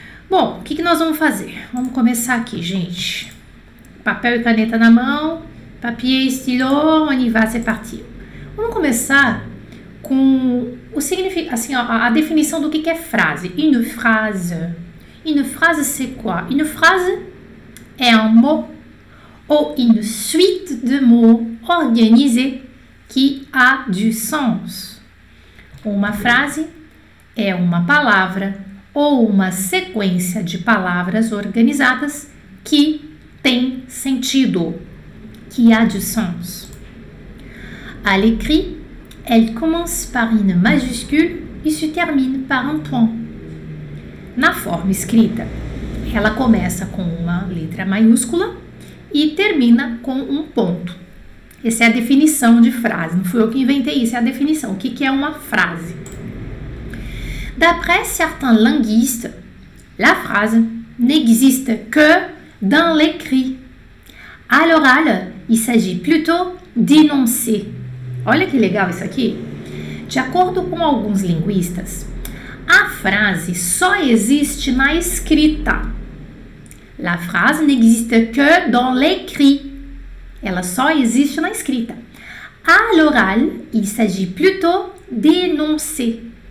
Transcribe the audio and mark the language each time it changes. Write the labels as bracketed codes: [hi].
[pt] Bom, o que nós vamos fazer? Vamos começar aqui, gente. Papel e caneta na mão, [fr] papier, stylo, on y va, c'est parti. [pt] Vamos começar com o significado, assim, ó, a definição do que é frase. [fr] Une phrase. Une phrase, c'est quoi? Une phrase [pt] é um [fr] mot ou une suite de mots organisés qui a du sens. [pt] Uma frase é uma palavra ou uma sequência de palavras organizadas que tem sentido, [fr] qui a du sens. À l'écrit, elle commence par une majuscule et se termine par un point. [pt] Na forma escrita, ela começa com uma letra maiúscula e termina com um ponto. Essa é a definição de frase. Não fui eu que inventei isso, é a definição. O que é uma frase? [fr] D'après certains linguistes, la phrase n'existe que dans l'écrit. À l'oral, il s'agit plutôt d'énoncer. [pt] Olha que legal isso aqui. De acordo com alguns linguistas, A frase só existe na escrita. [fr] La phrase n'existe que dans l'écrit. [pt] Ela só existe na escrita. [fr] À l'oral, il s'agit plutôt d'énoncer.